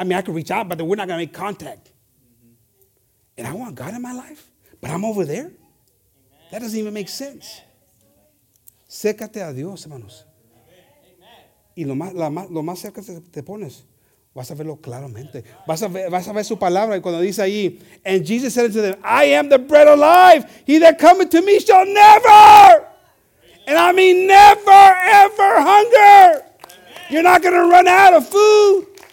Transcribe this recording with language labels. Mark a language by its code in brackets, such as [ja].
[en] I mean, I can reach out, but we're not going to make contact. Mm-hmm. And I want God in my life, but I'm over there? Amen. That doesn't even make sense. [es] Sécate a Dios, hermanos. Y lo más cerca te pones, Vas a verlo claramente. Vas a ver su palabra cuando dice ahí. [en] And Jesus said unto them, I am the bread of life. He that cometh to me shall never. And I mean never, ever hunger. Amen. You're not going to run out of food.